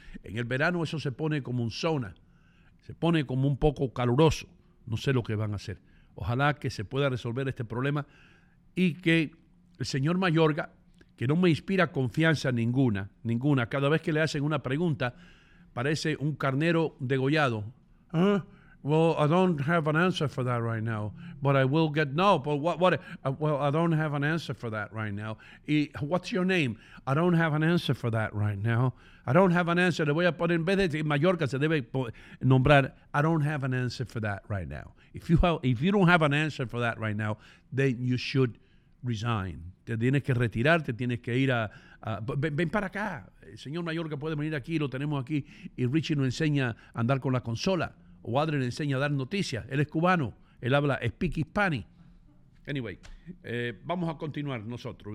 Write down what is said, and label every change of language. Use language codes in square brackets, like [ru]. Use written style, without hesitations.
[es] En el verano eso se pone como un sauna, se pone como un poco caluroso. No sé lo que van a hacer. Ojalá que se pueda resolver este problema y que el señor Mayorga, que no me inspira confianza ninguna, ninguna. Cada vez que le hacen una pregunta, parece un carnero degollado. [en] Well, I don't have an answer for that right now, but I will get, no, but what, well, I don't have an answer for that right now. Y, what's your name? I don't have an answer for that right now. I don't have an answer. [es] Le voy a poner, en vez de Mallorca, se debe nombrar, [en] I don't have an answer for that right now. If you don't have an answer for that right now, then you should resign. [es] Te tienes que retirar, te tienes que ir a ven para acá. El señor Mayorga puede venir aquí, lo tenemos aquí. Y Richie nos enseña a andar con la consola. O Adrian le enseña a dar noticias. Él es cubano, él habla [en] speak Spanish. [es] Anyway, vamos a continuar nosotros.